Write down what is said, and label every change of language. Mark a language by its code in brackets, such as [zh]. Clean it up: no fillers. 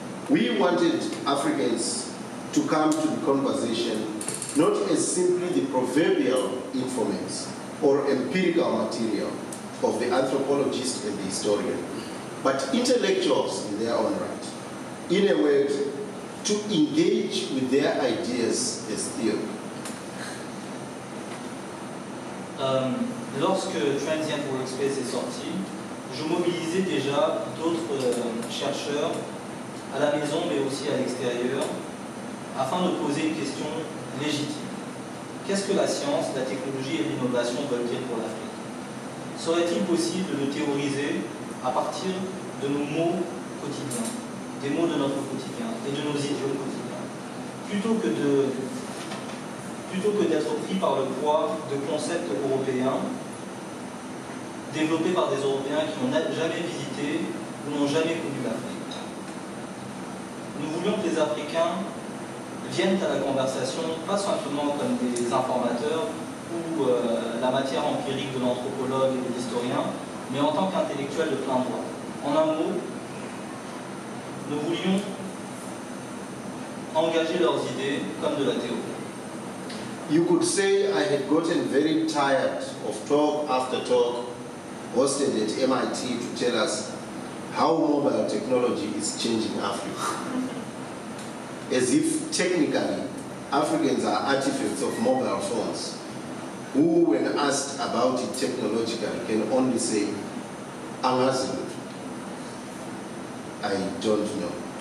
[en] We wanted Africans to come to the conversation not as simply the proverbial informants or empirical material of the anthropologist and the historian, but intellectuals in their own right. In a word, to engage with their ideas as theory. [fr] Lorsque Transient Workspace est sorti, je mobilisais déjà d'autres chercheurs à la maison mais aussi à l'extérieur afin de poser une question légitime. Qu'est-ce que la science, la technologie et l'innovation veulent dire pour l'Afrique? Serait-il possible de théoriser à partir de nos mots quotidiens, des mots de notre quotidien et de nos idiomes quotidiens, plutôt que d'être pris par le poids de concepts européens développés par des Européens qui n'ont jamais visité ou n'ont jamais connu l'Afrique. Nous voulions que les Africains viennent à la conversation, pas simplement comme des informateurs ou la matière empirique de l'anthropologue et de l'historien, mais en tant qu'intellectuels de plein droit. En un mot, nous voulions engager leurs idées comme de la théorie. [en] You could say I had gotten very tired of talk after talk hosted at MIT to tell us how mobile technology is changing Africa. As if technically Africans are artifacts of mobile phones, who when asked about it technologically can only say, I don't know.